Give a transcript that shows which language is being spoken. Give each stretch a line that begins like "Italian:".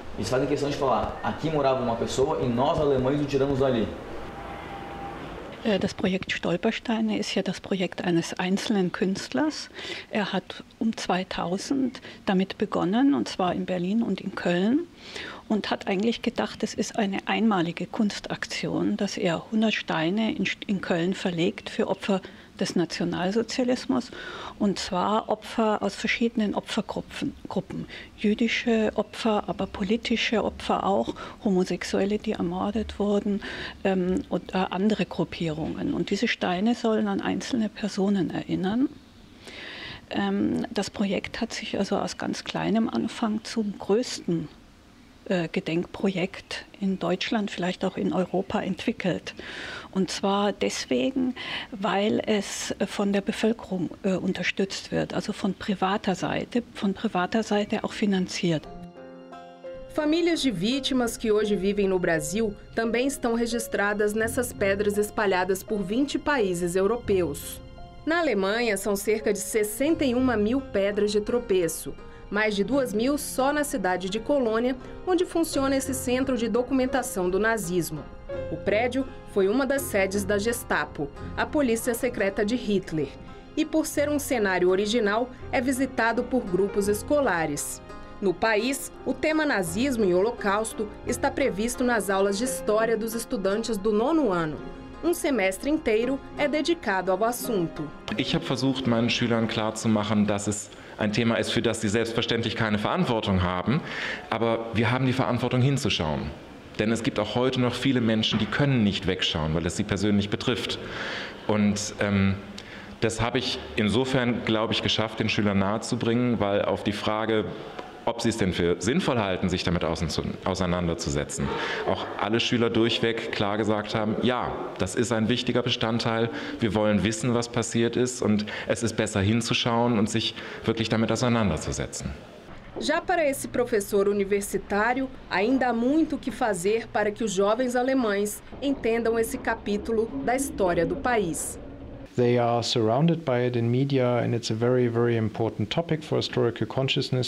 Portuguese: Eles fazem questão de falar, aqui morava uma pessoa e nós, alemães, o tiramos dali.
German: Das Projekt Stolpersteine ist ja das Projekt eines einzelnen Künstlers. Er hat um 2000 damit begonnen, und zwar in Berlin und in Köln, und hat eigentlich gedacht, es ist eine einmalige Kunstaktion, dass er 100 Steine in Köln verlegt für Opfer des Nationalsozialismus, und zwar Opfer aus verschiedenen Opfergruppen. Jüdische Opfer, aber politische Opfer auch, Homosexuelle, die ermordet wurden, und andere Gruppierungen. Und diese Steine sollen an einzelne Personen erinnern. Das Projekt hat sich also aus ganz kleinem Anfang zum größten Gedenkprojekt in Deutschland, vielleicht auch in Europa, entwickelt. Und zwar deswegen, weil es von der Bevölkerung unterstützt wird, also von privater Seite auch finanziert.
Portuguese: Famílias de vítimas que hoje vivem no Brasil também estão registradas nessas pedras espalhadas por 20 países europeus. Na Alemanha, são cerca de 61 mil pedras de tropeço. Mais de 2 mil só na cidade de Colônia, onde funciona esse centro de documentação do nazismo. O prédio foi uma das sedes da Gestapo, a polícia secreta de Hitler. E por ser um cenário original, é visitado por grupos escolares. No país, o tema nazismo e holocausto está previsto nas aulas de história dos estudantes do nono ano. Um semestre inteiro é dedicado ao assunto.
German: Ich habe versucht, meinen Schülern klarzumachen, dass es ein Thema ist, für das sie selbstverständlich keine Verantwortung haben, aber wir haben die Verantwortung hinzuschauen. Denn es gibt auch heute noch viele Menschen, die können nicht wegschauen, weil es sie persönlich betrifft. Und das habe ich insofern, glaube ich, geschafft, den Schülern nahezubringen, weil auf die Frage, ob sie es denn für sinnvoll halten, sich damit auseinanderzusetzen, auch alle Schüler durchweg klar gesagt haben, ja, das ist ein wichtiger Bestandteil, wir wollen wissen, was passiert ist, und es ist besser hinzuschauen und sich wirklich damit auseinanderzusetzen.
Portuguese: Já para esse professor universitário, ainda há muito o que fazer para que os jovens alemães entendam esse capítulo da história do país.
English: They are surrounded by it in media, and it's a very, very important topic for historical consciousness.